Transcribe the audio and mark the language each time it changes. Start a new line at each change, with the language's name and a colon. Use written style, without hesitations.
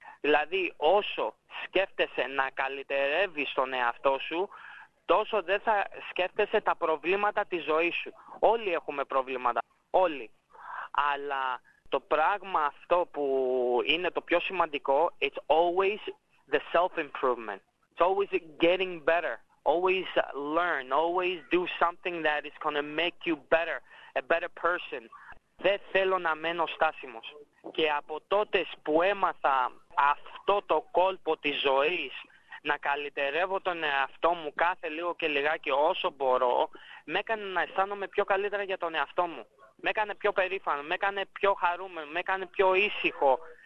Greek: Δηλαδή όσο σκέφτεσαι να καλυτερεύεις τον εαυτό σου, τόσο δεν θα σκέφτεσαι τα προβλήματα της ζωής σου. Όλοι έχουμε προβλήματα, όλοι. Αλλά το πράγμα αυτό που είναι το πιο σημαντικό,
English: it's always the self-improvement. It's always getting better. Always learn. Always do something that is going to make you better. A better person.
Greek: Δεν θέλω να μένω στάσιμος. Και από τότε που έμαθα αυτό το κόλπο της ζωής, να καλυτερεύω τον εαυτό μου κάθε λίγο και λιγάκι όσο μπορώ, με έκανε να αισθάνομαι πιο καλύτερα για τον εαυτό μου. Με έκανε πιο περήφανο, με έκανε πιο χαρούμενο, με έκανε πιο ήσυχο.